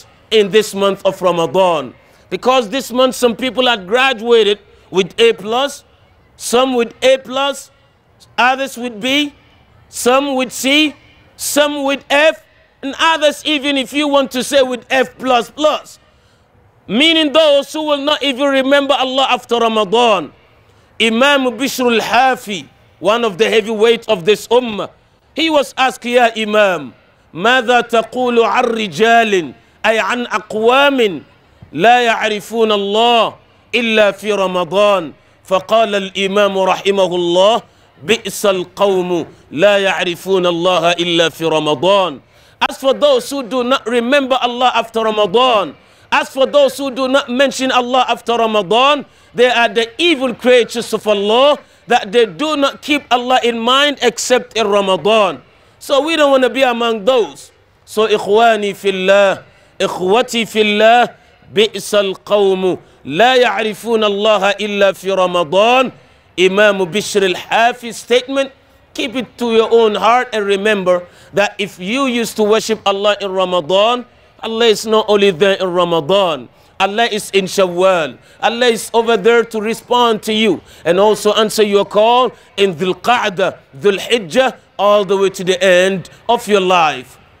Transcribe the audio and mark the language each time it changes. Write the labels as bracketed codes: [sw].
[en] In this month of Ramadan. Because this month some people had graduated with A+, some with A+, others with B, some with C, some with F, and others even, if you want to say, with F++, meaning those who will not even remember Allah after Ramadan. Imam Bishr al-Hafi, one of the heavyweights of this ummah, he was asked, Ya Imam, [ar] ماذا تقول عن رجال أي عن أقوام لا يعرفون الله إلا في رمضان فقال الإمام رحمه الله بئس القوم لا يعرفون الله إلا في رمضان. [en] As for those who do not remember Allah after Ramadan, as for those who do not mention Allah after Ramadan, they are the evil creatures of Allah, that they do not keep Allah in mind except in Ramadan. So we don't want to be among those. [ar] So إخواني في الله, إخوتي في الله, بئس القوم لا يعرفون الله إلا في رمضان. [en] Imam Bishr al-Hafi's statement, keep it to your own heart and remember that if you used to worship Allah in Ramadan, Allah is not only there in Ramadan. Allah is in Shawwal. Allah is over there to respond to you and also answer your call in Dhul Qa'dah, Dhul Hijjah, all the way to the end of your life.